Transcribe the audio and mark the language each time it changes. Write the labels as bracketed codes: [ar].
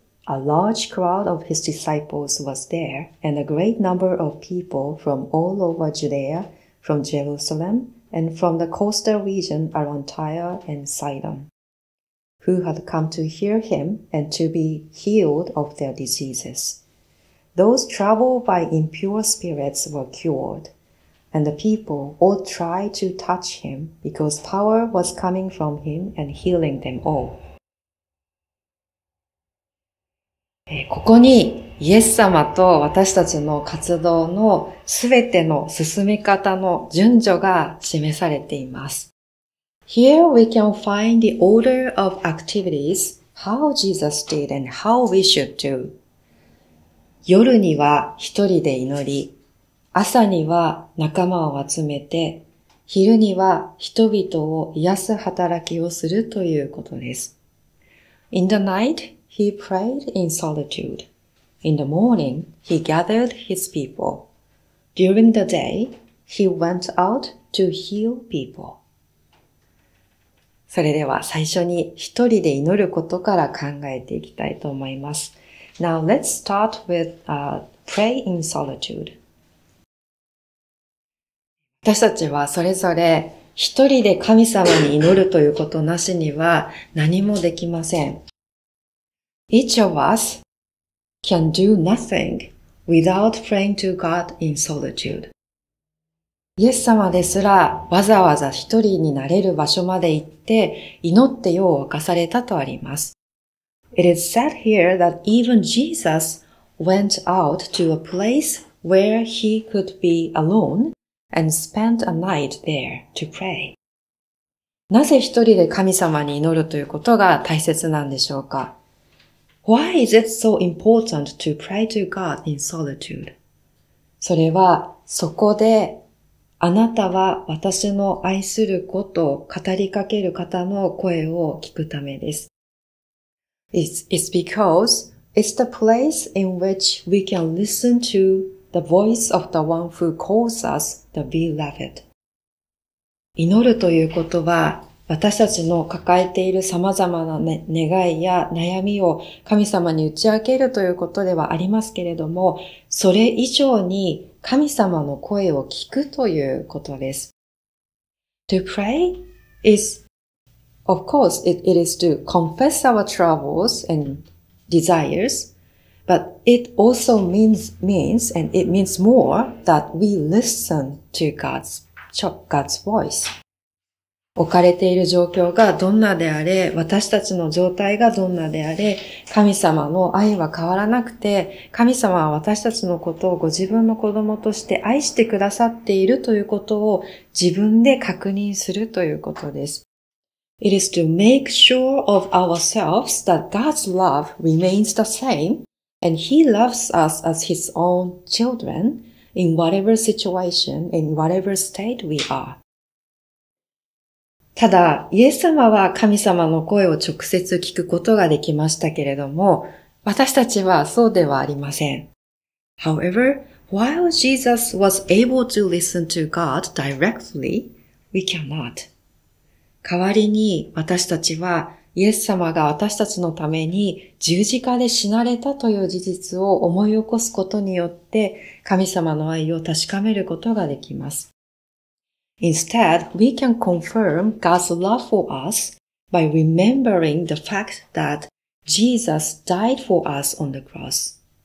[en] A large crowd of his disciples was there, and a great number of people from all over Judea, from Jerusalem,and from the coastal region around Tyre and Sidon, who had come to hear him and to be healed of their diseases. Those troubled by impure spirits were cured, and the people all tried to touch him because power was coming from him and healing them all. [ja] ここにイエス様と私たちの活動のすべての進み方の順序が示されています。 [en] Here we can find the order of activities, how Jesus did and how we should do. [ja] 夜には一人で祈り、朝には仲間を集めて、昼には人々を癒す働きをするということです。 [en] In the night, he prayed in solitude. In the morning, he gathered his people. During the day, he went out to heal people. [ja] それでは最初に一人で祈ることから考えていきたいと思います。 [en] Now let's start with pray in solitude. [ja] 私たちはそれぞれ一人で神様に祈るということなしには何もできません。 [en] Each of us,can do nothing without praying to God in solitude. [ja] イエス様ですらわざわざ一人になれる場所まで行って祈って夜を明かされたとあります。 [en] It is said here that even Jesus went out to a place where he could be alone and spent a night there to pray. [ja] なぜ一人で神様に祈るということが大切なんでしょうか？ [en] Why is it so important to pray to God in solitude? [ja] それはそこであなたは私の愛する子と語りかける方の声を聞くためです。 [en] It's because it's the place in which we can listen to the voice of the one who calls us the beloved. [ja] 祈るということは私たちの抱えている様々な願いや悩みを神様に打ち明けるということではありますけれども、それ以上に神様の声を聞くということです。 [en] To pray is, of course, it is to confess our troubles and desires, but it also means more that we listen to God's voice. [ja] 置かれている状況がどんなであれ、私たちの状態がどんなであれ、神様の愛は変わらなくて、神様は私たちのことをご自分の子供として愛してくださっているということを自分で確認するということです。 [en] It is to make sure of ourselves that God's love remains the same and He loves us as His own children in whatever situation, in whatever state we are. [ja] ただイエス様は神様の声を直接聞くことができましたけれども、私たちはそうではありません。 [en] However, while Jesus was able to listen to God directly, we cannot. [ja] 代わりに私たちはイエス様が私たちのために十字架で死なれたという事実を思い起こすことによって、神様の愛を確かめることができます。 [en] Instead, we can confirm God's love for us by remembering the fact that Jesus died for us on the cross.